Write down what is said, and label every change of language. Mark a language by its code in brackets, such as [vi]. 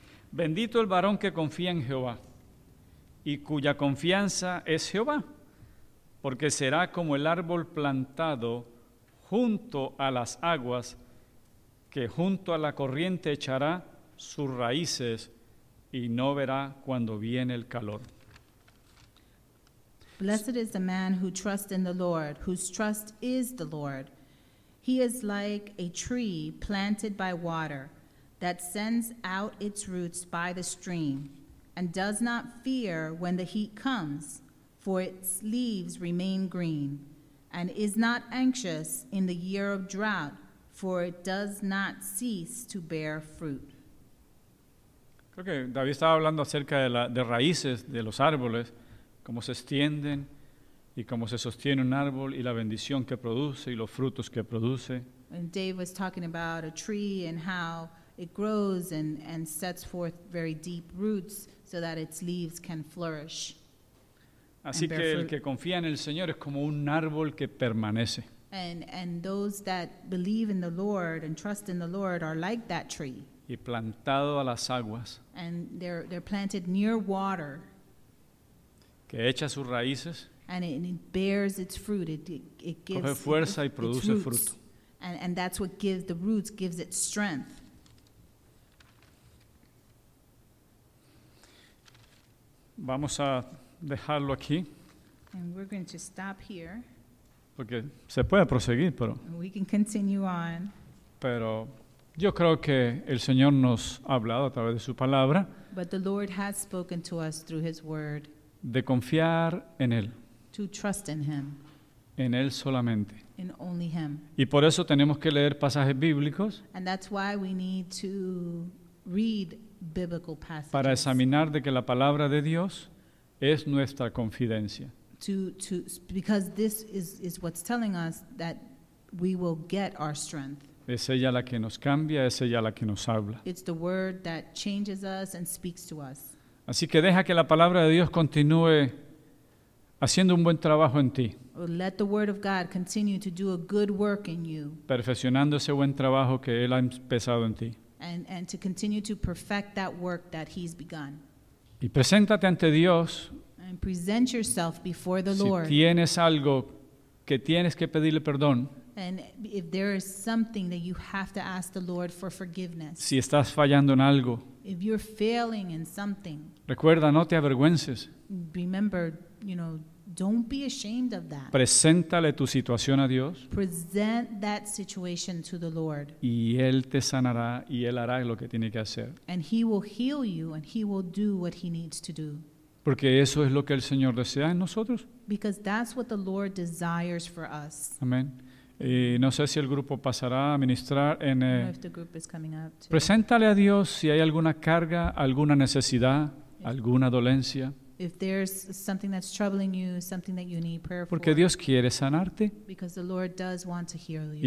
[es] Bendito el varón que confía en Jehová y cuya confianza es Jehová, porque será como el árbol plantado junto a las aguas, que junto a la corriente echará sus raíces y no verá cuando viene el calor. [en] Blessed is the man who trusts in the Lord, whose trust is the Lord. He is like a tree planted by water that sends out its roots by the stream and does not fear when the heat comes, for its leaves remain green, and is not anxious in the year of drought, for it does not cease to bear fruit. [es] Creo que David estaba hablando acerca de raíces de los árboles, cómo se extienden y cómo se sostiene un árbol y la bendición que produce y los frutos que produce. [en] And Dave was talking about a tree and how it grows and sets forth very deep roots so that its leaves can flourish. [es] Así que el que confía en el Señor es como un árbol que permanece. [en] And those that believe in the Lord and trust in the Lord are like that tree. [es] Y plantado a las aguas. [en] And they're planted near water. [es] Que echa sus raíces. [en] And it bears its fruit. It gives [es] coge fuerza y produce [en] its [es] fruto. [en] And that's what gives the roots, gives it strength. [es] Vamos a dejarlo aquí. [en] And we're going to stop here. [es] Porque se puede proseguir, pero. [en] And we can continue on. [es] Pero yo creo que el Señor nos ha hablado a través de su palabra. [en] But the Lord has spoken to us through his word. [es] De confiar en él. [en] To trust in him. [es] En él solamente. [en] In only him. [es] Y por eso tenemos que leer pasajes bíblicos. [en] And that's why we need to read biblical passages. [es] Para examinar de que la palabra de Dios es nuestra confidencia. [en] Because this is what's telling us that we will get our strength. [es] Es ella la que nos cambia, es ella la que nos habla. [en] It's the word that changes us and speaks to us. [es] Así que deja que la palabra de Dios continúe haciendo un buen trabajo en ti. [en] Let the word of God continue to do a good work in you. [es] Perfeccionando ese buen trabajo que él ha empezado en ti. [en] And to continue to perfect that work that he's begun. [es] Y preséntate ante Dios. [en] And present yourself before the Lord. [es] Si tienes algo que tienes que pedirle perdón. [en] And if there is something that you have to ask the Lord for forgiveness. [es] Si estás fallando en algo. [en] If you're failing in something. [es] Recuerda, no te avergüences. [en] Remember, you know, don't be ashamed of that. [es] Preséntale tu situación a Dios. [en] Present that situation to the Lord. [es] Y Él te sanará y Él hará lo que tiene que hacer. [en] And He will heal you and He will do what He needs to do. [es] Porque eso es lo que el Señor desea en nosotros. [en] Because that's what the Lord desires for us. [es] Amén. Y no sé si el grupo pasará a ministrar en preséntale a Dios si hay alguna carga, alguna necesidad, alguna dolencia. [en] If there's something that's troubling you, something that you need prayer for. [es] Porque Dios quiere sanarte. [en] Because the Lord does want to heal you.